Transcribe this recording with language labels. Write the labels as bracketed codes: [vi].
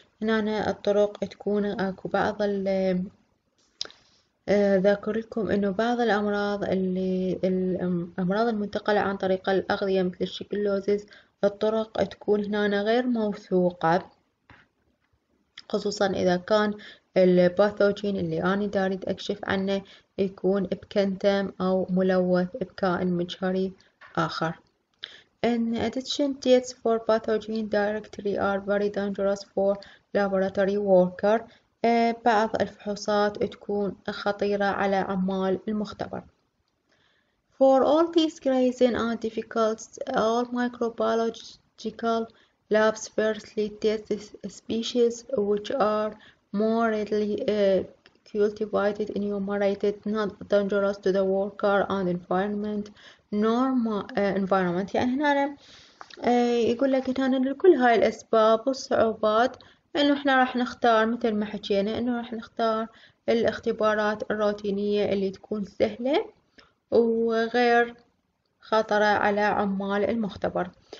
[ar] هنا أنا الطرق تكون أكو بعض ذاكر لكم انه بعض الامراض اللي الامراض المنتقلة عن طريق الاغذية مثل الشيكلوزيس الطرق تكون هنا غير موثوقة، خصوصا اذا كان الباثوجين اللي اني داريد اكشف عنه يكون بكنتم او ملوث بكائن مجهري اخر. [en] In addition, tests for pathogen directly are very dangerous for laboratory worker. [ar] بعض الفحوصات تكون خطيرة على عمال المختبر. [en] For all these grazing and difficult all microbiological labs firstly test species which are more readily cultivated, enumerated, not dangerous to the worker and environment, nor environment. [ar] يعني هنا يقول لك هنا لكل هاي الأسباب والصعوبات انه احنا راح نختار مثل ما حكينا انه راح نختار الاختبارات الروتينية اللي تكون سهلة وغير خطرة على عمال المختبر.